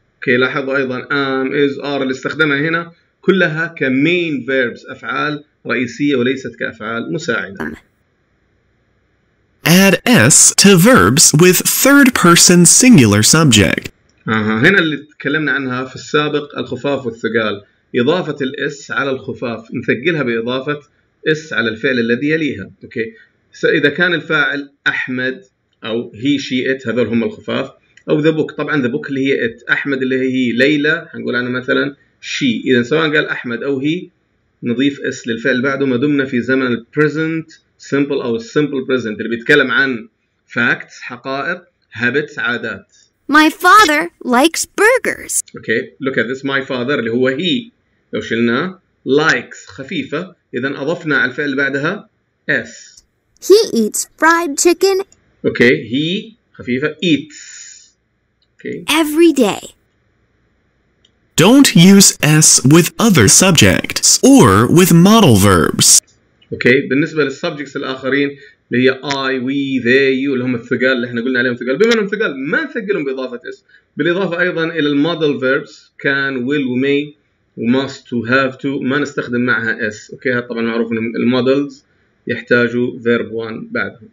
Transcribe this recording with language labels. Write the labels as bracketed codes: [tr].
[ar] اوكي لاحظوا ايضا am is are اللي استخدمها هنا كلها كمين فيربس افعال رئيسية وليست كأفعال مساعدة. [en] Add S to verbs with third person singular subject. [ar] هنا اللي تكلمنا عنها في السابق الخفاف والثقال. إضافة الإس على الخفاف نثقلها بإضافة إس على الفعل الذي يليها. Okay. إذا كان الفاعل أحمد أو he she it هذول هم الخفاف أو the book طبعا the book اللي هي it أحمد اللي هي ليلى هنقول عنها مثلا she. إذا سواء قال أحمد أو he نضيف اس للفعل بعده ما دمنا في زمن present simple او simple present اللي بيتكلم عن facts حقائق habits عادات. [en] My father likes burgers. Okay, look at this. [ar] My father اللي هو he لو شلنا likes خفيفة إذا أضفنا على الفعل اللي بعدها s. [en] He eats fried chicken. Okay, he خفيفة eats. Okay. Every day. Don't use S with other subjects or with model verbs. [ar] Okay, بالنسبة للسبجكتس الآخرين اللي هي I, we, they, you اللي هم الثقال اللي احنا قلنا عليهم ثقال بما انهم ثقال ما نثقلهم بإضافة S بالإضافة أيضا إلى المودل فيربس can, will, may, must, have to ما نستخدم معها S. أوكي هذا طبعا معروف ان المودلز يحتاجوا verb 1 بعدهم.